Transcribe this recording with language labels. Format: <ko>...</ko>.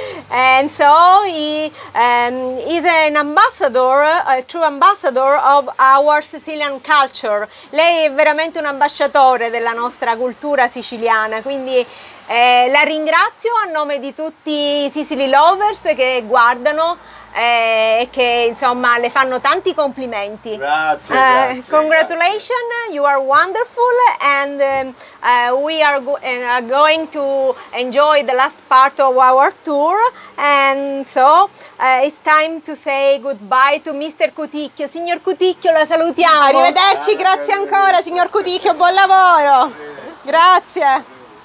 <en>And so he is an ambassador, a true ambassador of our Sicilian culture.</en> <it>Lei è veramente un ambasciatore della nostra cultura siciliana, quindi la ringrazio a nome di tutti i Sicily Lovers che guardano e che insomma le fanno tanti complimenti. Grazie, grazie.</it> <en>Congratulations, grazie. You are wonderful and we are going to enjoy the last part of our tour and so it's time to say goodbye to Mr.</en> <it>Cuticchio. Signor Cuticchio, la salutiamo. Arrivederci, grazie ancora signor Cuticchio, buon lavoro. Grazie.</it>